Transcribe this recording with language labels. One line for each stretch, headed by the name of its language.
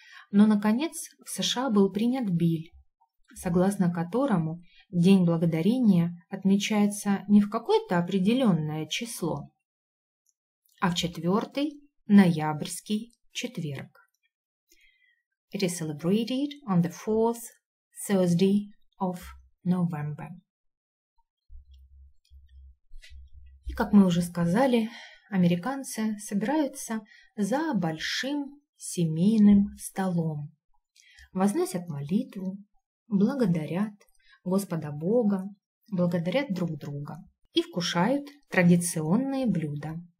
Russian: Но, наконец, в США был принят Билль, согласно которому День Благодарения отмечается не в какое-то определенное число, а в четвертый – ноябрьский четверг.
English: It is celebrated on the 4th Thursday of November.
Russian: И, как мы уже сказали, американцы собираются за большим семейным столом, возносят молитву, благодарят Господа Бога, благодарят друг друга и вкушают традиционные блюда.